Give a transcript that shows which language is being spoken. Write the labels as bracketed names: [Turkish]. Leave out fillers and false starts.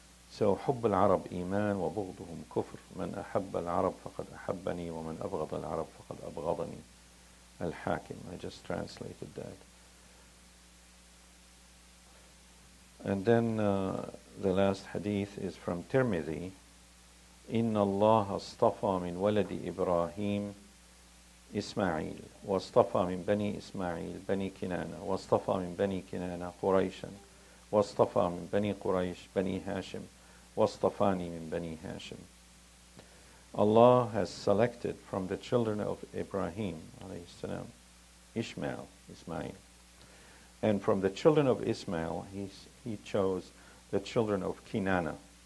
[Arabic] So, حُبّ الْعَرَبْ إِيمَانٌ وَبُغْضُهُمْ كُفْرٌ مَنْ أَحَبَّ الْعَرَبْ فَقَدْ أَحَبَّنِي وَمَنْ أَبْغَضَ الْعَرَبْ فَقَدْ أَبْغَضَنِي الْحَاكِمُ. [English] I just translated that. And then the last hadith is from Tirmidhi. [Arabic] إِنَّ اللَّهَ اصْطَفَى مِنْ وَلَدِ إِبْرَاهِيمِ إسماعيل واصطفى من بني إسماعيل بني كنانة واصطفى من بني كنانة قريشا واصطفى من بني قريش بني هاشم واصطفاني من بني هاشم. [English] Allah has selected from the children of Ibrahim عليه السلام Ismail, and from the children of Ismail he chose the children of Kinana.